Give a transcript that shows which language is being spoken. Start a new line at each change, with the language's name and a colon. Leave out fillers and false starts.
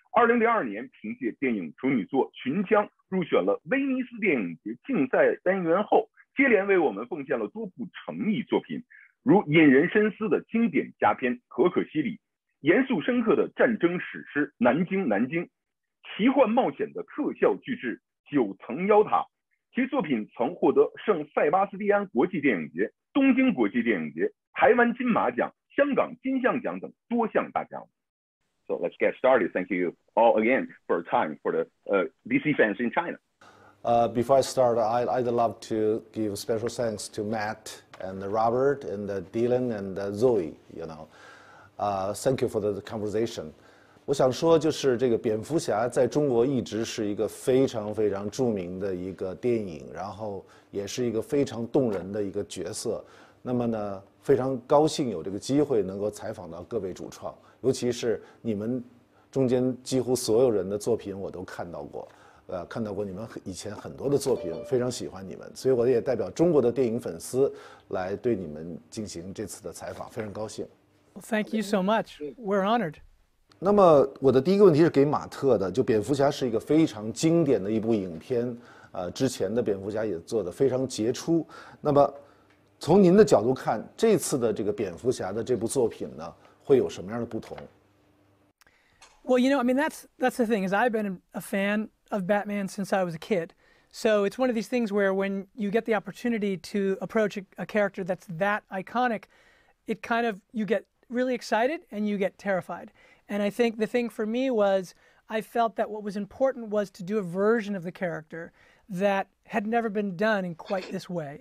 Chinese: 2002年，凭借电影处女作《寻枪》入选了威尼斯电影节竞赛单元后，接连为我们奉献了多部诚意作品，如引人深思的经典佳片《可可西里》，严肃深刻的战争史诗《南京南京》，奇幻冒险的特效巨制《九层妖塔》。其作品曾获得圣塞巴斯蒂安国际电影节、东京国际电影节、台湾金马奖、香港金像奖等多项大奖。
English: So let's get started. Thank you all again for time for the DC fans in China. Before I start, I'd love to give special thanks to Matt and Robert and Dylan and Zoe. You know, thank you for the conversation.
Chinese: 我想说，就是这个蝙蝠侠在中国一直是一个非常非常著名的一个电影，然后也是一个非常动人的一个角色。那么呢，非常高兴有这个机会能够采访到各位主创，尤其是你们中间几乎所有人的作品我都看到过，看到过你们以前很多的作品，非常喜欢你们，所以我也代表中国的电影粉丝来对你们进行这次的采访，非常高兴。
English: Well, thank you so much. We're honored.
Chinese: 那么我的第一个问题是给马特的，就蝙蝠侠是一个非常经典的一部影片，之前的蝙蝠侠也做得非常杰出。那么从您的角度看，这次的这个蝙蝠侠的这部作品呢，会有什么样的不同
English: ？Well, you know, I mean, that's the thing is I've been a fan of Batman since I was a kid, so it's one of these things where when you get the opportunity to approach a character that's that iconic, it kind of you get really excited and you get terrified. And I think the thing for me was, I felt that what was important was to do a version of the character that had never been done in quite this way.